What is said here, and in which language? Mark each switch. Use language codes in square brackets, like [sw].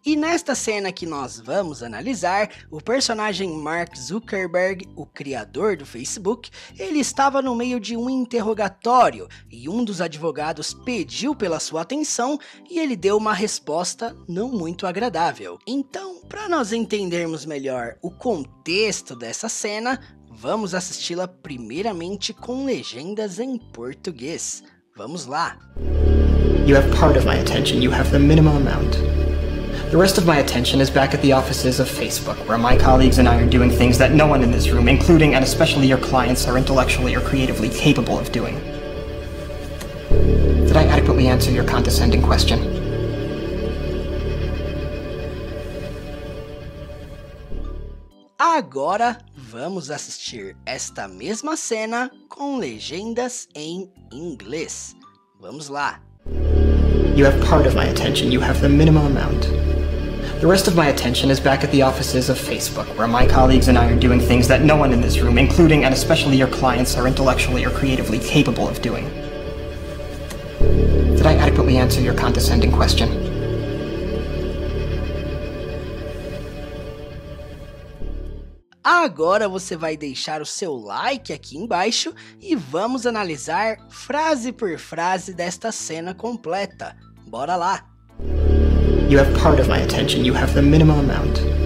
[pt] E nesta cena que nós vamos analisar, o personagem Mark Zuckerberg, o criador do Facebook, ele estava no meio de um interrogatório e um dos advogados pediu pela sua atenção e ele deu uma resposta não muito agradável. Então, para nós entendermos melhor o contexto dessa cena, vamos assisti-la primeiramente com legendas em português. Vamos lá! [en] You have part of my attention, you have the minimum amount. The rest of my attention is back at the offices of Facebook, where my colleagues and I are doing things that no one in this room, including and especially your clients, are intellectually or creatively capable of doing. Did I adequately answer your condescending question? [pt] Agora vamos assistir esta mesma cena com legendas em inglês. Vamos lá. [en] You have part of my attention. You have the minimum amount. The rest of my attention is back at the offices of Facebook, where my colleagues and I are doing things that no one in this room, including and especially your clients, are intellectually or creatively capable of doing. Did I adequately answer your condescending question? [pt] Agora você vai deixar o seu like aqui embaixo e vamos analisar frase por frase desta cena completa. Bora lá! [en] You have part of my attention, you have the minimum amount.